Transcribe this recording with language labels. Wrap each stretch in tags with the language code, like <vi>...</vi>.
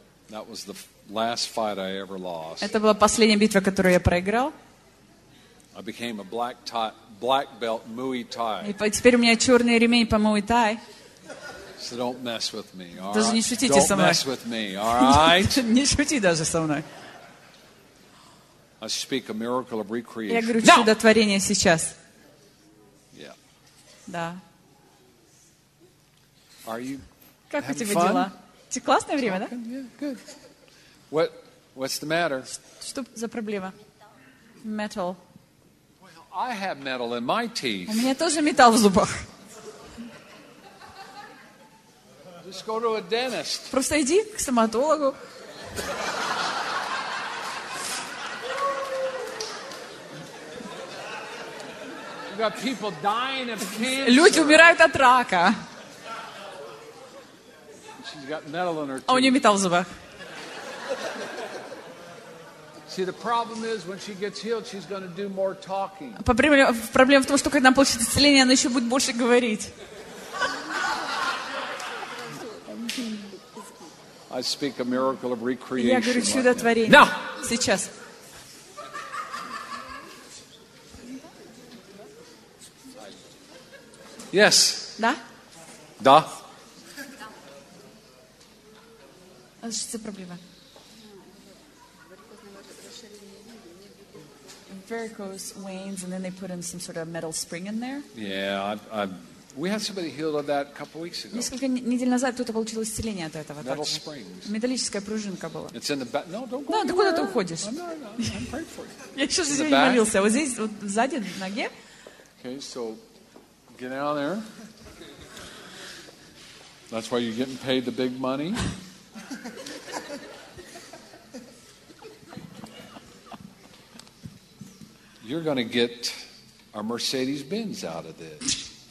<en>That was the last fight I ever lost.</en> <ru>Это была последняя битва, которую я проиграл.</ru> <en>I became a black belt Muay Thai.</en> <ru>И теперь у меня черный ремень по Muay Thai.</ru> <en>So don't mess with me.</en> <ru>Даже не шутите</ru> <en>don't</en> <ru>со мной.</ru> <en>Mess with me, all right?</en> <ru>Не шути даже со мной.</ru> <en>I speak a miracle of recreation.</en> <ru>Я говорю чудотворение сейчас.</ru> <en>Yeah.</en> <ru>Да.</ru> <en>Are you?</en> <ru>Как у тебя</ru> <en>fun?</en> <ru>Дела? Тебе классное</ru> <en>talking?</en> <ru>Время, да?</ru> <en>Yeah, good. What's the matter?</en> <ru>Что за проблема?</ru> <en>Metal. Well, I have metal in my teeth.</en> <ru>У меня тоже металл в зубах.</ru> <en>Just go to a dentist.</en> <ru>Просто иди к стоматологу.</ru> <en>You got people dying of cancer.</en> <ru>Люди умирают от рака.</ru> <en>She's got metal in her teeth.</en> <ru>А у нее металл в зубах.</ru> <en>See, the problem is when she gets healed, she's going to do more talking.</en> <ru>Проблема в том, что когда она получит исцеление, она еще будет больше говорить.</ru> <en>I speak a miracle of recreation.</en> <ru>Я говорю чудотворение.</ru> <en>No.</en> <ru>Сейчас.</ru> <en>Yes.</en> <ru>Да. Да. А что за проблема?</ru> <en>Varicose veins, and then they put in some sort of metal spring in there. Yeah, we had somebody healed of that a couple weeks ago.</en> <ru>Несколько недель назад кто-то получил исцеление от этого.</ru> <en>Metal springs.</en> <ru>Металлическая пружинка была.</ru> <en>It's in the back. No, don't go. No,</en> <ru>ты куда ты уходишь?</ru> <en>I'm praying for you.</en> <ru>Я сейчас молился. Вот здесь, вот сзади ноге.</ru> <en>Okay, so get out there. That's why you're getting paid the big money. you're going to get our Mercedes-Benz out of this.</en>